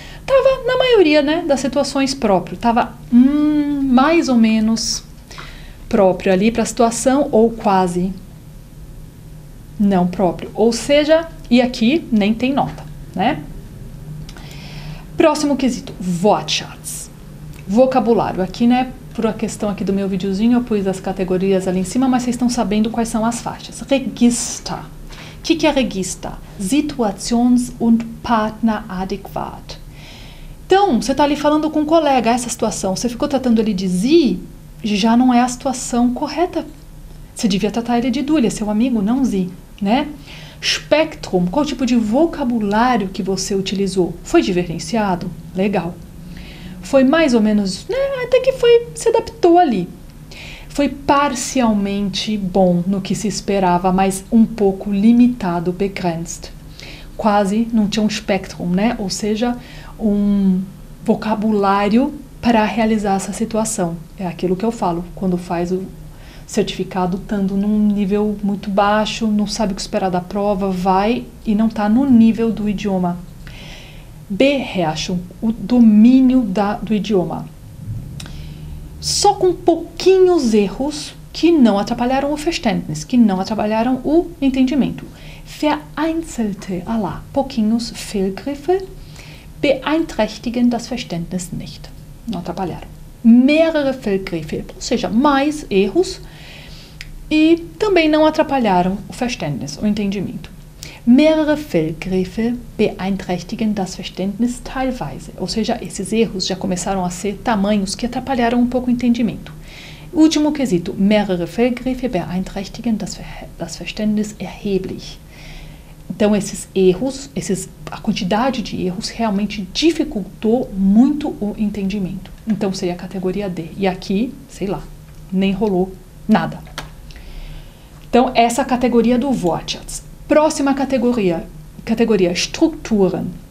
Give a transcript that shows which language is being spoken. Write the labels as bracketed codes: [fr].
[pt] Tava na maioria, né, das situações próprio, tava mais ou menos próprio ali para a situação ou quase não próprio. Ou seja, e aqui nem tem nota. Né? Próximo quesito, Wortschatz. Vocabulário. Aqui, né, por a questão aqui do meu videozinho, eu pus as categorias ali em cima, mas vocês estão sabendo quais são as faixas. Register. Que é register? [de] Situations und Partner adäquat. [pt] Então, você está ali falando com um colega, essa situação, você ficou tratando ele de Sie, já não é a situação correta. Você devia tratar ele de du, ele é seu amigo, não Sie, né? Spectrum, qual tipo de vocabulário que você utilizou? Foi diferenciado? Legal. Foi mais ou menos, né, até que foi, se adaptou ali. Foi parcialmente bom no que se esperava, mas um pouco limitado, begrenzt. Quase não tinha um spectrum, né? Ou seja, um vocabulário para realizar essa situação. É aquilo que eu falo quando faz o certificado, estando num nível muito baixo, não sabe o que esperar da prova, vai e não está no nível do idioma. B, reacho, o domínio do idioma. Só com pouquinhos erros que não atrapalharam o Verständnis, que não atrapalharam o entendimento. [de] Vereinzelte, alá, pouquinhos Fehlgriffe beeinträchtigen das Verständnis nicht. [pt] Não atrapalharam. [de] Mehrere Fehlgriffe, [pt] ou seja, mais erros, e também não atrapalharam o Verständnis, o entendimento. [de] Mehrere Fehlgriffe beeinträchtigen das Verständnis teilweise. [pt] Ou seja, esses erros já começaram a ser tamanhos que atrapalharam um pouco o entendimento. Último quesito. [de] Mehrere Fehlgriffe beeinträchtigen das Verständnis erheblich. [pt] Então, esses erros, a quantidade de erros realmente dificultou muito o entendimento. Então, seria a categoria D. E aqui, sei lá, nem rolou nada. Então, essa é a categoria do Wortschatz. Próxima categoria, Strukturen.